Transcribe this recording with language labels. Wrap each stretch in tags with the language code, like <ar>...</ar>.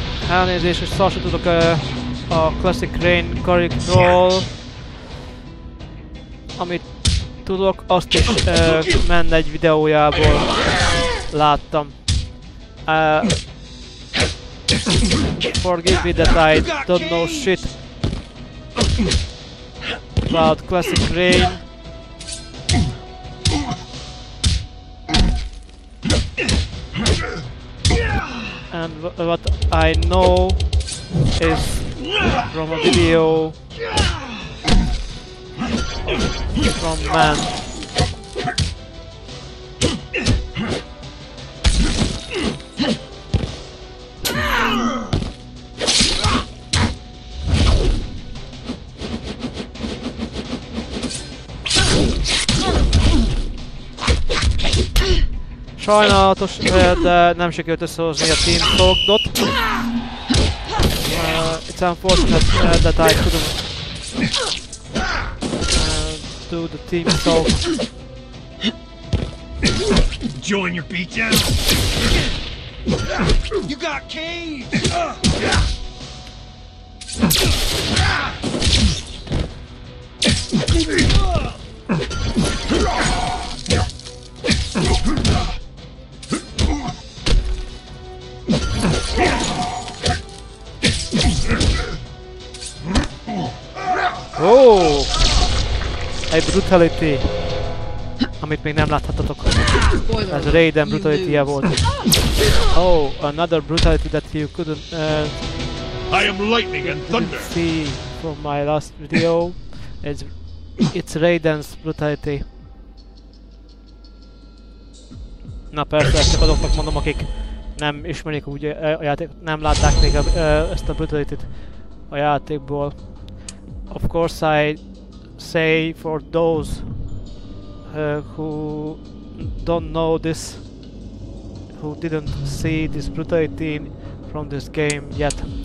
<hu>Elnézést, hogy szar sem tudok a Classic Rain karikról. Amit tudok, azt is menne egy videójából láttam.</hu> <en>Forgive me that I don't know shit about Classic Rain. And what I know is from a video from man.</en> <hu>Sajnálatos, de nem sikerült összehozni a Team Fogdot.</hu> <en>It's unfortunate that I couldn't do the Team Fog. Join your beat down. You got cage.</en> <hu>Oh, a brutality, amit még nem láthatatok. Ez Raiden brutality-je volt.</hu> <en>Oh, another brutality that you couldn't I am lightning and thunder. See from my last video, it's Raiden's brutality.</en> <hu>Na persze, csak azoknak mondom, akik nem ismerik úgy a játék, nem látták még ezt a brutality-t a játékból.</hu> <en>Of course, I say for those who don't know this, who didn't see this brutality from this game yet.</en>